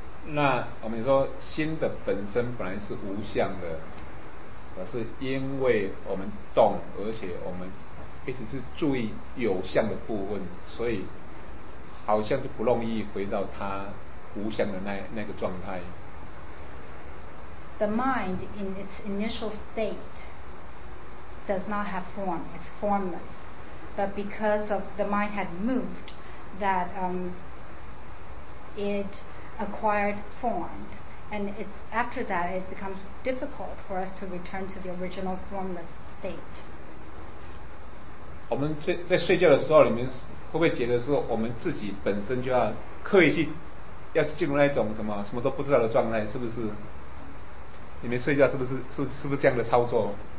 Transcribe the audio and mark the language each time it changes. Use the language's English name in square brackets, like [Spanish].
[Chinese] 那我们说心的本身本来是无相的，而是因为我们动，而且我们一直是注意有相的部分，所以好像就不容易回到它无相的那个状态。 [English] The mind in its initial state does not have form; it's formless. But because of the mind had moved, that it acquired form. And it's after that it becomes difficult for us to return to the original formless state. [Chinese] 我们在睡觉的时候，你们会不会觉得说，我们自己本身就要刻意去，要进入那种什么都不知道的状态，是不是？你们睡觉是不是这样的操作